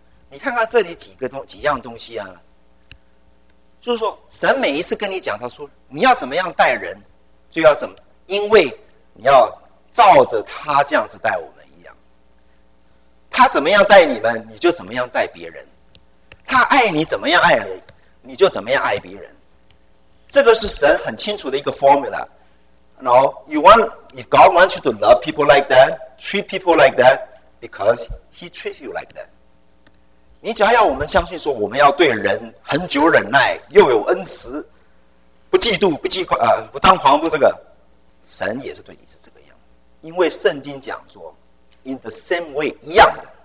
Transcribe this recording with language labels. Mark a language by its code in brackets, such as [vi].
[zh] 你看看这里几样东西啊，就是说神每一次跟你讲，他说你要怎么样待人，就要怎么，因为你要照着他这样子待我们一样。他怎么样待你们，你就怎么样待别人。他爱你怎么样爱你，你就怎么样爱别人。这个是神很清楚的一个 formula。 [en] No, if God wants you to love people like that, treat people like that, because He treats you like that. [zh] 你只要要我们相信说，我们要对人很久忍耐，又有恩慈，不嫉妒，不张狂，不这个，神也是对你是这个样。因为圣经讲说 ， [en] in the same way [zh] 一样的。